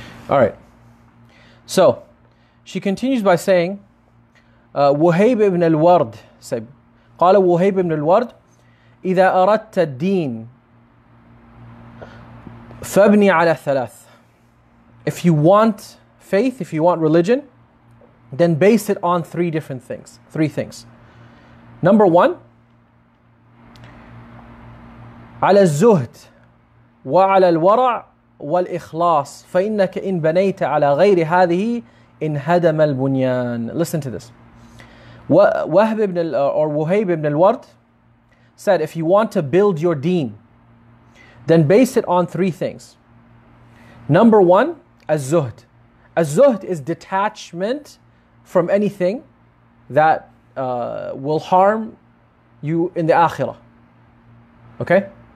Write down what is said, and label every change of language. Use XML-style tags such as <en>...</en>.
<en>Alright, so she continues by saying, Wuhayb ibn al-Ward said, قال Wuhayb ibn al-Ward,</en> <ar>إذا أردت الدين فابني على الثلاث.</ar> <en>If you want faith, if you want religion, then base it on three things. Number one,</en> <ar>على الزهد وعلى الورع والإخلاص فإنك إن بنيت على غير هذه إن هدم البنيان.</ar> <en>Listen to this. Wuhayb ibn al-Ward said, if you want to build your deen, then base it on three things. Number one, az-zuhd. Az-zuhd is detachment from anything that will harm you in the akhirah. Okay?</en>